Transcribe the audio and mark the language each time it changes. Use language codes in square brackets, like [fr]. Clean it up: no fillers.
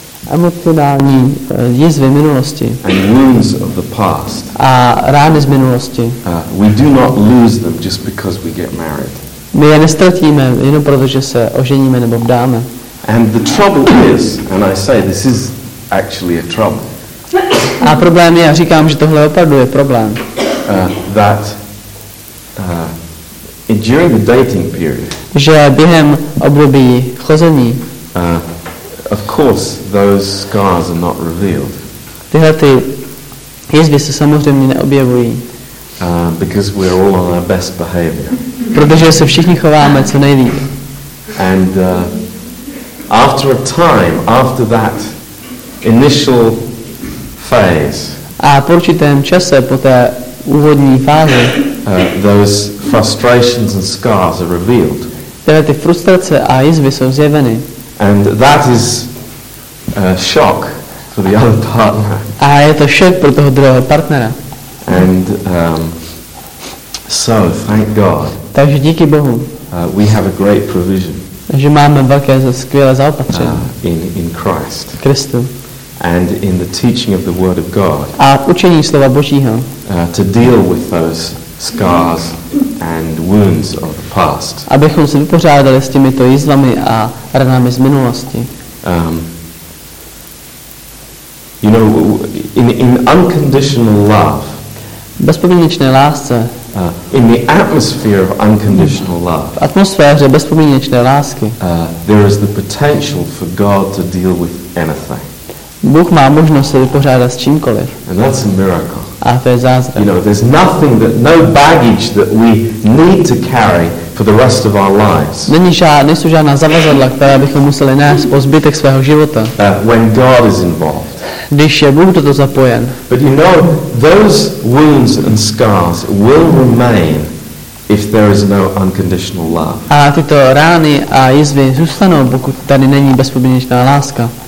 [cs] Emocionální jizvy minulosti. [en] And wounds of the past. [cs] A rány z minulosti. [en] We do not lose them just because we get married. [cs] My je nestratíme jenom proto, že se oženíme nebo vdáme. [en] And the trouble is, and I say this is actually a trouble. [cs] A problém je, já říkám, že tohle opravdu je problém. [en] That during the dating period. [cs] Že během období chození. [en] Of course, those scars are not revealed. [cs] Tyhle ty jizvy se samozřejmě neobjevují. [en] Because we're all on our best behavior. [cs] Protože se všichni chováme co nejlíp. [en] And after a time, after that initial phase. [cs] A po určitém čase, po té úvodní fázi. [en] Those frustrations and scars are revealed. [cs] Tyhle ty frustrace a jizvy jsou zjeveny. [en] And that is a shock for the other partner. [cs] A je to šok pro toho druhého partnera. [en] And so thank God. [cs] Takže díky Bohu. [en] We have a great provision. [cs] Že máme velké skvělé zaopatření. [en] In Christ. [cs] Kristu. [en] And in the teaching of the Word of God. [cs] A učení slova Božího. [en] To deal with those scars and wounds of the past. [cs] Abychom se vypořádali s těmito jizvami a ranami z minulosti. [en] You know, in unconditional love. [cs] Bezpodmínečné lásce. [en] In the atmosphere of unconditional love. [cs] V atmosféře bezpodmínečné lásky. [en] There is the potential for God to deal with anything. [cs] Bůh má možnost se vypořádat s čímkoliv. [en] And that's a miracle. [cs] A to je zázrak. [en] You know, there's nothing that no baggage that we need to carry for the rest of our lives. [cs] Nejsou žádná zavazadla, která bychom museli nést po zbytek svého života. [en] When God is involved. [cs] Když je Bůh toto zapojen. [en] But you know, those wounds and scars will remain if there is no unconditional love. [cs] A tyto rány a jizvy zůstanou, pokud tady není bezpodmínečná láska.